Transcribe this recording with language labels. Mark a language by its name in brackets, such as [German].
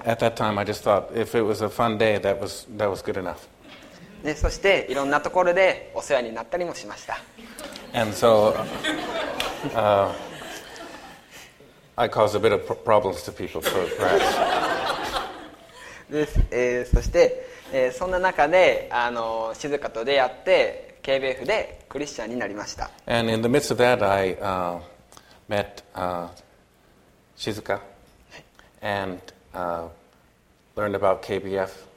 [English] Oh, at that time, I just thought if it was a fun day, that was good enough. [Japanese] で、そしていろんなところでお世話になったりもしました。 [English] And so, I caused a bit of problems to people, so perhaps. [Japanese] そして、そんな中で、静香と出会って、KBF でクリスチャンになりました。 [English] And in the midst of that, I met Shizuka and learned about KBF.